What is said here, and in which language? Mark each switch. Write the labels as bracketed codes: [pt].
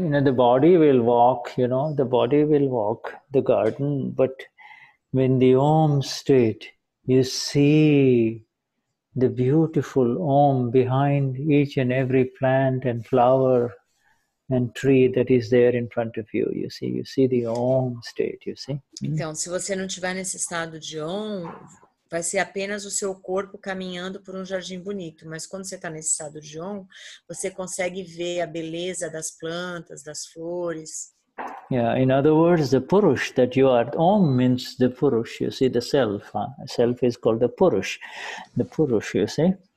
[en] you know, the body will walk, you know, the body will walk the garden, but when the Om state, you see the beautiful Om behind each and every plant and flower and tree that is there in front of you, you see the Om state, you see. [pt] Então, se você não tiver nesse estado de Om, vai ser apenas o seu corpo caminhando por um jardim bonito, mas quando você está nesse estado de Om, você consegue ver a beleza das plantas, das flores. [en] Yeah, in other words, the Purush that you are, Om means the Purush, you see, the self, self is called the Purush, you see.